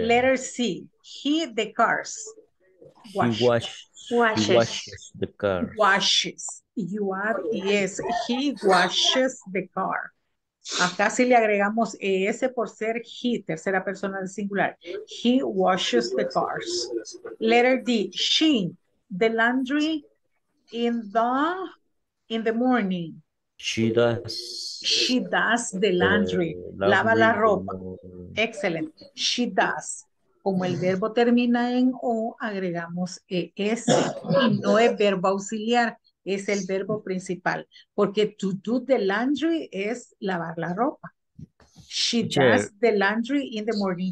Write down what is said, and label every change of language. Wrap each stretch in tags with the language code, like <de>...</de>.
<en>Letter C. He the cars. washes the car. Washes. You are, yes, he washes the car.</en> <es>Acá sí le agregamos ES por ser he, tercera persona del singular.</es> <en>He washes the cars. Letter D, she, the laundry in the morning. She does the laundry.</en> <es>Lava la ropa.</es> <en>Excellent. She does.</en> <es>Como el verbo termina en O, agregamos ES. No es verbo auxiliar, es el verbo principal. Porque</es> <en>to do the laundry</en> <es>es lavar la ropa.</es> <en>She teacher, does the laundry in the morning.</en>